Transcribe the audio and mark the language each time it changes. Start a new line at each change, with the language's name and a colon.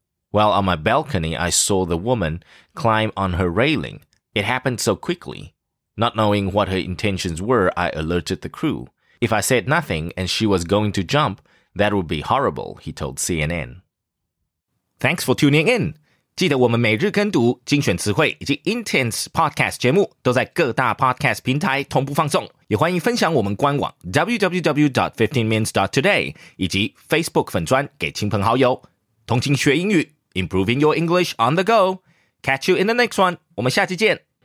English: While on my balcony, I saw the woman climb on her railing. It happened so quickly. Not knowing what her intentions were, I alerted the crew. If I said nothing and she was going to jump, that would be horrible, he told CNN. Thanks for tuning in.
Chinese: 记得我们每日跟读精选词汇以及 Intense Podcast 节目都在各大 Podcast 平台同步放送。也欢迎分享我们官网 www.15minutes.today 以及 Facebook 粉专给亲朋好友。同情学英语
English: Improving your English on the go. Catch you in the next one.
Chinese: 我们下期见。